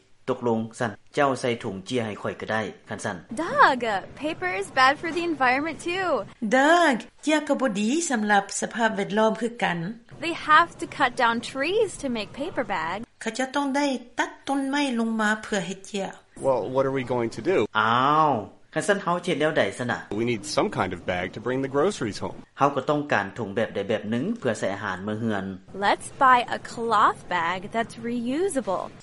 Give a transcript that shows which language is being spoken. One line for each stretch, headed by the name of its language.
Thai: ตกลงซั่นเจ้าใส่ถุงเจียให้ข่อยก็ได้คั่นซั่น
English: Doug, paper is bad for the environment too.
Thai: Doug, เจียก็บ่ดีสําหรับสภาพแวดล้อมคือกัน
English: They have to cut down trees to make paper bags.
Thai: เขาจะต้องได้ตัดต้นไม้ลงมาเพื่อเฮ็ดเจีย
English: Well, what are we going to do?
Thai: อ้าวคันซั่นเฮาเฮ็ดแล้วได้ซะน่ะ
English: We need some kind of bag to bring the groceries home.
Thai: เฮาก็ต้องการถุงแบบใดแบบหนึ่งเพื่อใส่อาหารมื้อเฮือน
English: Let's buy a cloth bag that's reusable.